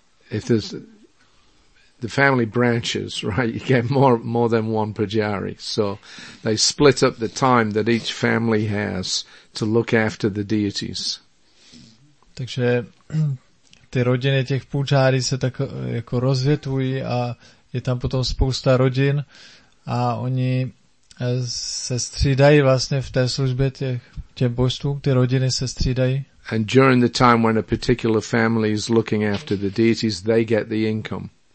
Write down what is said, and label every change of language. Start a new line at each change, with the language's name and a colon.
English: If there's the family branches, right, you get more than one pujari. So they split up the time that each family has to look after the deities.
Czech: Takže ty rodiny těch pujári se tak jako rozvětují a je tam potom spousta rodin a oni se střídají vlastně v té službě těch božstvů, ty rodiny se střídají.
English: And during the time when a particular family is looking after the deities, they get the income.